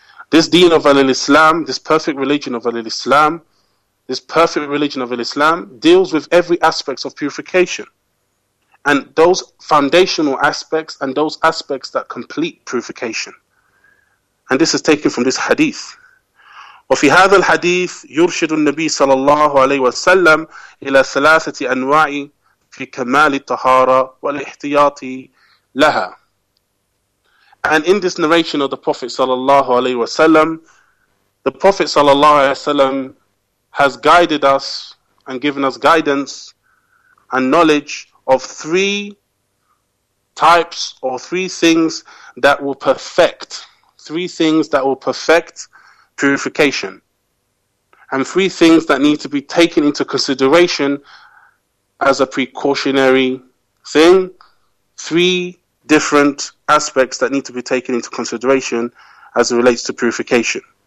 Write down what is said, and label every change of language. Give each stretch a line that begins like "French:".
English: This deen of al-Islam, this perfect religion of al-Islam, this perfect religion of al-Islam deals with every aspect of purification. And those foundational aspects and those aspects that complete purification. And this is taken from this hadith.
Arabic: وفي هذا الحديث يرشد النبي صلى الله عليه وسلم إلى ثلاثة أنواع في كمال الطهارة والاحتياط لها.
English: And in this narration of the Prophet sallallahu alaihi wasallam, the Prophet sallallahu alaihi wasallam has guided us and given us guidance and knowledge of three types or three things that will perfect, three things that will perfect purification, and three things that need to be taken into consideration as a precautionary thing, three different aspects that need to be taken into consideration as it relates to purification.